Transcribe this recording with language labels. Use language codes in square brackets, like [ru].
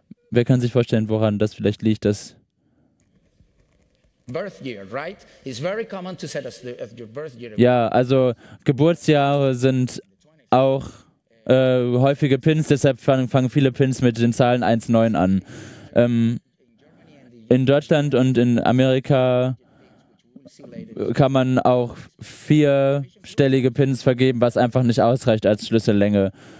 [de] Wer kann sich vorstellen, woran das vielleicht liegt, dass [en] birth year, right? It's very common to set as your birth year. [de] Ja, also Geburtsjahre sind auch häufige Pins, deshalb fangen viele Pins mit den Zahlen 1-9 an. In Deutschland und in Amerika kann man auch vierstellige Pins vergeben, was einfach nicht ausreicht als Schlüssellänge.